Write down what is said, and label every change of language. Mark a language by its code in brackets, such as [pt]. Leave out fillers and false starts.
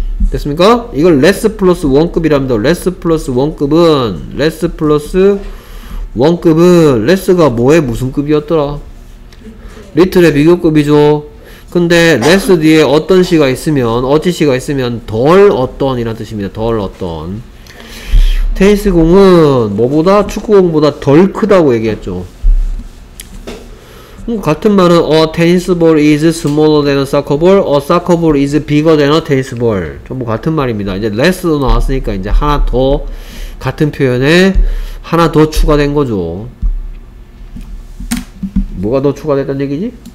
[ko] 됐습니까? 이걸 less plus 1급이랍니다. less plus 1급은 less plus 1급은 less가 뭐에 무슨 급이었더라? 리틀의 비교급이죠. 근데 less 뒤에 어떤 시가 있으면 어찌 시가 있으면 덜 어떤이란 뜻입니다. 덜 어떤. 테니스 공은 뭐보다 축구 공보다 덜 크다고 얘기했죠. 같은 말은 [en] a tennis ball is smaller than a soccer ball, a soccer ball is bigger than a tennis ball. [ko] 전부 같은 말입니다. 이제 less도 나왔으니까 이제 하나 더 같은 표현에 하나 더 추가된 거죠. 뭐가 더 추가됐단 얘기지?